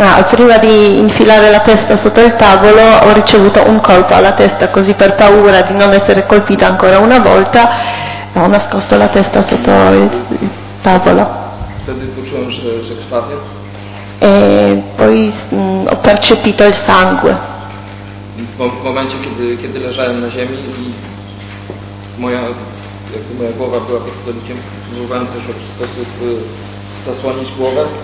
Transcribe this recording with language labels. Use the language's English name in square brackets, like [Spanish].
[Italian] Prima di infilare la testa sotto il tavolo ho ricevuto un colpo alla testa, così per paura di non essere colpita ancora una volta ho nascosto la testa sotto il tavolo. [Polish] Wtedy poczułem, że krwawię. [Italian] E poi ho percepito il sangue. [Polish] W momencie, kiedy leżałem na ziemi i moja głowa była pod stolikiem, próbowałem też w jakiś sposób zasłonić głowę.